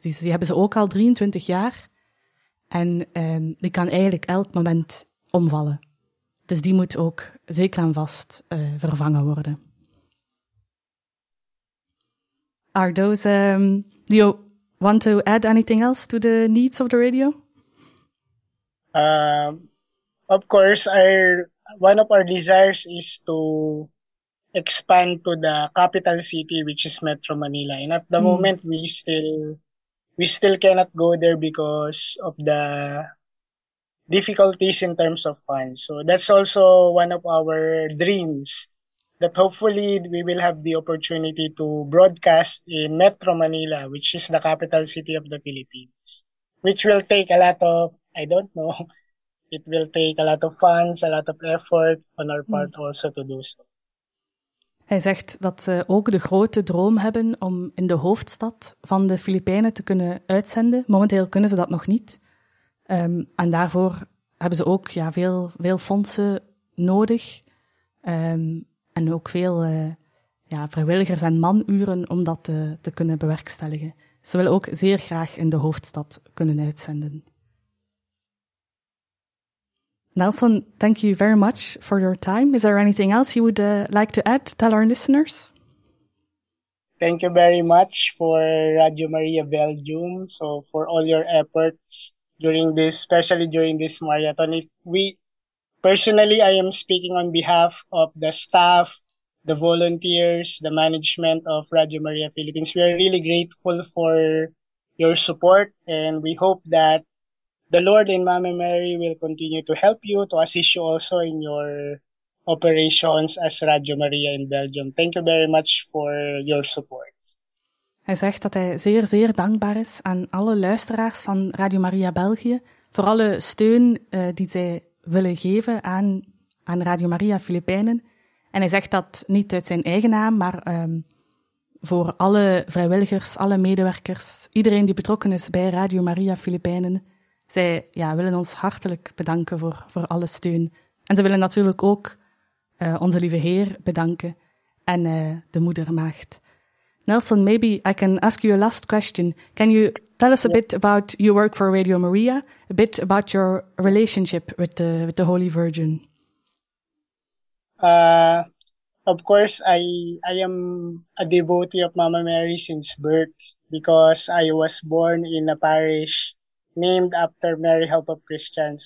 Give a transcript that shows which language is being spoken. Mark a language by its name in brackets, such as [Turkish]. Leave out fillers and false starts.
[Dutch] Dus die hebben ze ook al 23 jaar en die kan eigenlijk elk moment omvallen. Dus die moet ook zeker en vast vervangen worden. [English] Are those, do you want to add anything else to the needs of the radio? Of course, one of our desires is to expand to the capital city, which is Metro Manila. And at the moment, we still cannot go there because of the difficulties in terms of funds. So that's also one of our dreams, that hopefully we will have the opportunity to broadcast in Metro Manila, which is the capital city of the Philippines, which will take a lot of, I don't know, it will take a lot of funds, a lot of effort on our part also to do so. [Dutch] Hij zegt dat ze ook de grote droom hebben om in de hoofdstad van de Filipijnen te kunnen uitzenden. Momenteel kunnen ze dat nog niet. En daarvoor hebben ze ook veel fondsen nodig en ook veel vrijwilligers en manuren om dat te kunnen bewerkstelligen. Ze willen ook zeer graag in de hoofdstad kunnen uitzenden. [English] Nelson, thank you very much for your time. Is there anything else you would like to add? Tell our listeners. Thank you very much for Radio Maria Belgium, so for all your efforts especially during this marathon. I am speaking on behalf of the staff, the volunteers, the management of Radio Maria Philippines. We are really grateful for your support, and we hope that the Lord and Mama Mary will continue to help you, to assist you also in your operations as Radio Maria in Belgium. Thank you very much for your support. [Dutch] Hij zegt dat hij zeer, zeer dankbaar is aan alle luisteraars van Radio Maria België voor alle steun die zij willen geven aan Radio Maria Filipijnen. En hij zegt dat niet uit zijn eigen naam, maar voor alle vrijwilligers, alle medewerkers, iedereen die betrokken is bij Radio Maria Filipijnen. Zij willen ons hartelijk bedanken voor alle steun. En ze willen natuurlijk ook onze lieve Heer bedanken en de moedermaagd. [English] Nelson, maybe I can ask you a last question. Can you tell us a bit about your work for Radio Maria, a bit about your relationship with the Holy Virgin? Of course, I am a devotee of Mama Mary since birth because I was born in a parish named after Mary Help of Christians.